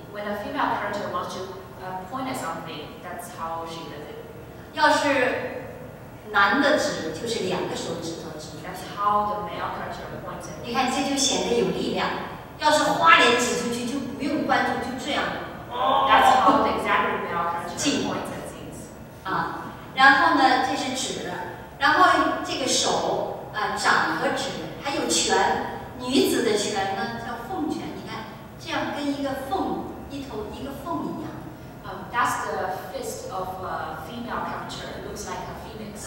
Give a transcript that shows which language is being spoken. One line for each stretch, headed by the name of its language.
English: When a female character wants to point at something, that's how she does it.
Chinese: 要是男的指，就是两个手指头指。
English: That's how the male character points at.
Chinese: 你看，这就显得有力量。要是花脸指出去，就不用关注，就这样。
English: That's how the exaggerated male character points at things.
Chinese: 然后呢，这是指的，然后这个手，掌和指，还有拳，女子的拳呢叫凤拳，你看，这样跟一个凤，一头一个凤一样。
English: That's the fist of a female character. It looks like a phoenix.